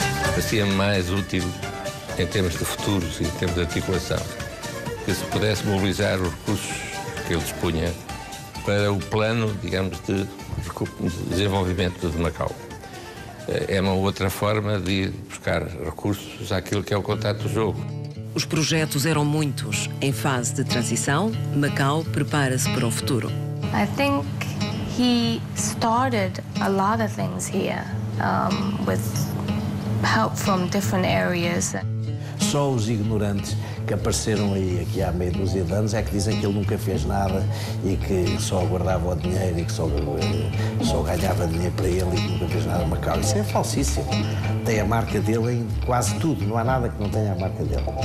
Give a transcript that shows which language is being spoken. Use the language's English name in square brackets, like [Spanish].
[Portuguese] Parecia mais útil em termos de futuros e em termos de articulação que se pudesse mobilizar os recursos que ele dispunha para o plano, digamos, de desenvolvimento de Macau. É uma outra forma de buscar recursos àquilo que é o contrato do jogo. Os projetos eram muitos. Em fase de transição, Macau prepara-se para o futuro. [English] I think he started a lot of things here with help from different areas. [Portuguese] Só os ignorantes que apareceram aí aqui há meia dúzia de anos é que dizem que ele nunca fez nada e que só guardava o dinheiro e que só ganhava dinheiro para ele e que nunca fez nada a Macau. Isso é falsíssimo. Tem a marca dele em quase tudo. Não há nada que não tenha a marca dele.